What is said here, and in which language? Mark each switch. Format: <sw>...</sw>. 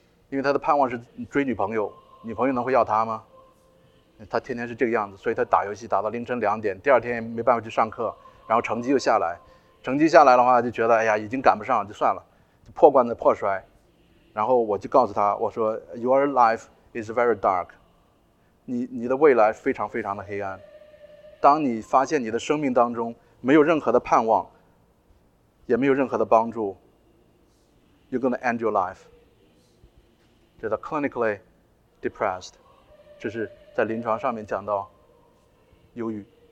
<zh>因为他的盼望是追女朋友，女朋友能会要他吗？他天天是这个样子，所以他打游戏打到凌晨两点，第二天没办法去上课，然后成绩又下来。成绩下来的话，就觉得哎呀，已经赶不上，就算了，就破罐子破摔。然后我就告诉他，我说 ，</zh> <en>Your life is very dark.</en> <zh>你的未来非常非常的黑暗，当你发现你的生命当中没有任何的盼望，也没有任何的帮助，</zh> <en>You're going to end your life.</en> <zh>这叫</zh> <en>clinically depressed，</en> <zh>这是在临床上面讲到忧郁。</zh>